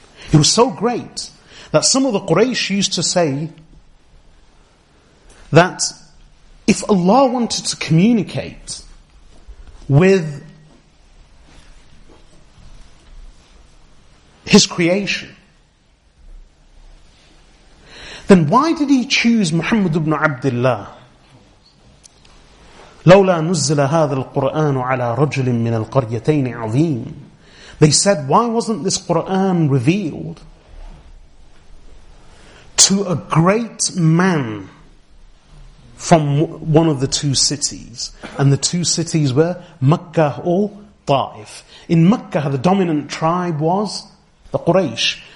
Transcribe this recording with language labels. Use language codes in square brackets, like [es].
[en] He was so great that some of the Quraysh used to say that if Allah wanted to communicate with his creation, then why did he choose Muhammad ibn Abdullah? [ar] لولا نزل هذا القرآن على رجل من القريتين عظيم. [en] They said, why wasn't this Quran revealed to a great man from one of the two cities? And the two cities were Makkah or Ta'if. In Makkah, the dominant tribe was the Quraysh.